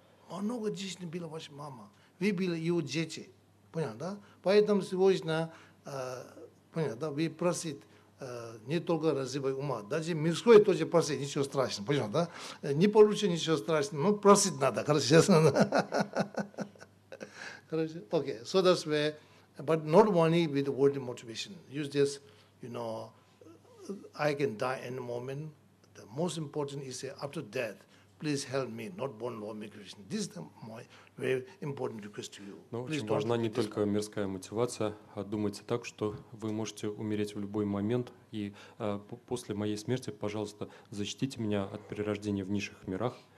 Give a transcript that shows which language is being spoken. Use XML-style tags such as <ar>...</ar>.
<ru>Много действительно была ваша мама. Вы были ее дети, понятно, да? Поэтому срочно, понятно, да, вы просите, не только развивай ума, даже мирское тоже просить, ничего страшного, понятно, да? Не получишь ничего страшного, но просить надо, хорошо, честно. Хорошо, окей.</ru> <en>So that's where, but not only with worldly motivation. Use this, you know, I can die any moment. The most important is after death, please help me, not born Lord Krishna. This is my very important request to you.</en> <ru>Но очень важна не только мирская мотивация, а думайте так, что вы можете умереть в любой момент, и после моей смерти, пожалуйста, защитите меня от перерождения в низших мирах.</ru>